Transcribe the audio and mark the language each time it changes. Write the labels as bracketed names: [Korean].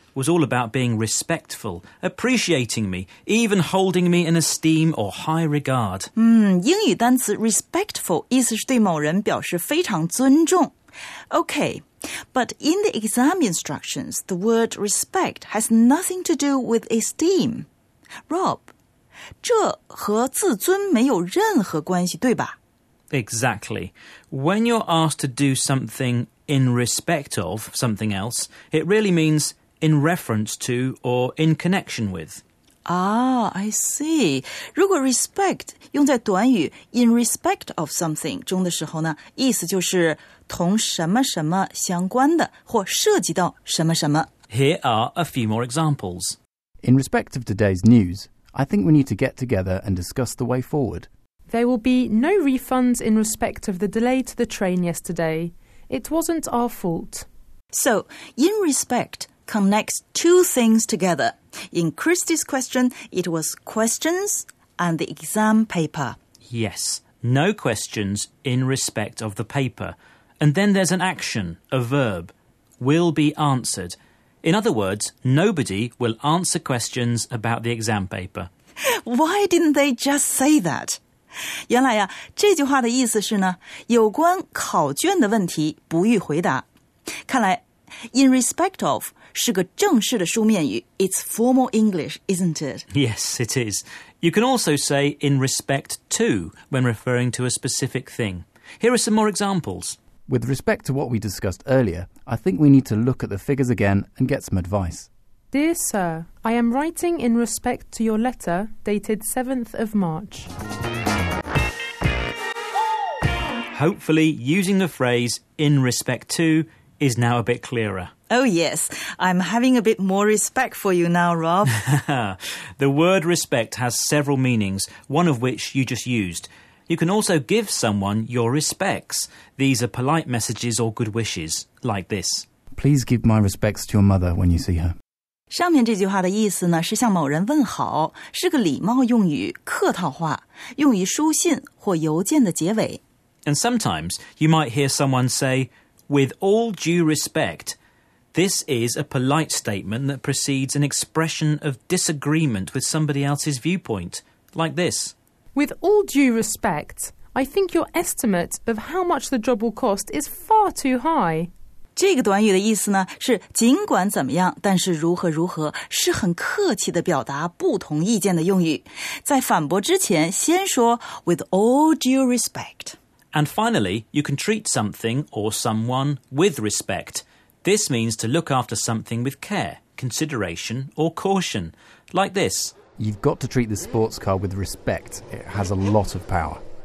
[English] was all about being respectful, appreciating me, even holding me in esteem or high regard. [Chinese] 英语单词 respectful 意思是对某人表示非常尊重。 [English] Okay, but in the exam instructions, the word respect has nothing to do with esteem. [Chinese] Rob, 这和自尊没有任何关系，对吧？ [English] Exactly. When you're asked to do something in respect of something else, it really means... in reference to or in connection with. Ah, I see. [Chinese] 如果 respect 用在短语 [English] in respect of something [Chinese] 中的时候呢，意思就是同什么什么相关的或涉及到什么什么。 [English] Here are a few more examples. In respect of today's news, I think we need to get together and discuss the way forward. There will be no refunds in respect of the delay to the train yesterday. It wasn't our fault. So, in respect... connects two things together. In Christy's question, it was questions and the exam paper. Yes, no questions in respect of the paper. And then there's an action, a verb, will be answered. In other words, nobody will answer questions about the exam paper. Why didn't they just say that? [Chinese] 原来呀，这句话的意思是呢，有关考卷的问题不予回答。看来 [English] In respect of [Chinese] 是个正式的书面语 [English] It's formal English, isn't it? Yes, it is. You can also say in respect to when referring to a specific thing. Here are some more examples. With respect to what we discussed earlier, I think we need to look at the figures again and get some advice. Dear Sir, I am writing in respect to your letter dated 7th of March. Hopefully, using the phrase in respect to... is now a bit clearer. Oh, yes. I'm having a bit more respect for you now, Rob. The word respect has several meanings, one of which you just used. You can also give someone your respects. These are polite messages or good wishes, like this. Please give my respects to your mother when you see her. [Chinese] 上面这句话的意思呢，是向某人问好，是个礼貌用语，客套话，用于书信或邮件的结尾。 [English] And sometimes you might hear someone say... With all due respect, this is a polite statement that precedes an expression of disagreement with somebody else's viewpoint, like this. With all due respect, I think your estimate of how much the job will cost is far too high. [Chinese] 这个短语的意思呢，是尽管怎么样，但是如何如何，是很客气的表达不同意见的用语。在反驳之前，先说 [English] with all due respect. And finally, you can treat something or someone with respect. This means to look after something with care, consideration or caution, like this. You've got to treat the sports car with respect. It has a lot of power.